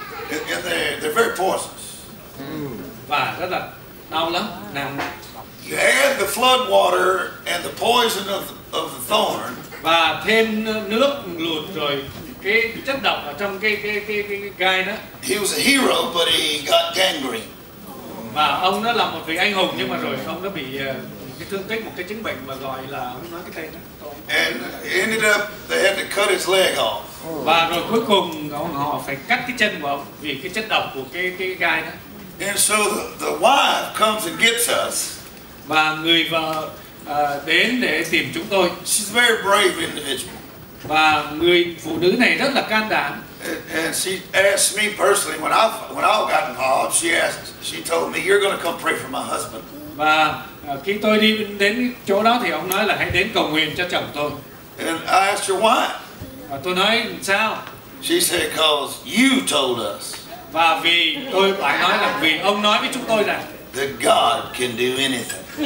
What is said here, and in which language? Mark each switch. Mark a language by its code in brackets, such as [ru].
[en] And they're very poisonous. [vi] Và rất là đau lắm, nặng. [en] You add the flood water and the poison of the thorn. [vi] Và thêm nước lụt rồi cái chất độc ở trong cái gai đó. [en] He was a hero, but he got gangrene. [vi] Và ông nó là một vị anh hùng nhưng mà rồi ông nó bị cái thương tích một cái chứng bệnh mà gọi là ông nói cái tên đó. [en] And ended up they had to cut his leg off. [vi] Và rồi cuối cùng họ phải cắt cái chân của ông vì cái chất độc của cái gai đó. [en] And so the wife comes and gets us. [vi] Và người vợ đến để tìm chúng tôi. [en] She's a very brave individual. [vi] Và người phụ nữ này rất là can đảm. [en] And she asked me personally when I got involved. She told me, "You're going to come pray for my husband." [vi] Và khi tôi đi đến chỗ đó thì ông nói là hãy đến cầu nguyện cho chồng tôi. [en] And I asked her why. [vi] Và tôi nói sao? [en] She said, "Because you told us." [vi] Và vì tôi phải nói là vì ông nói với chúng tôi rằng [en] that God can do anything.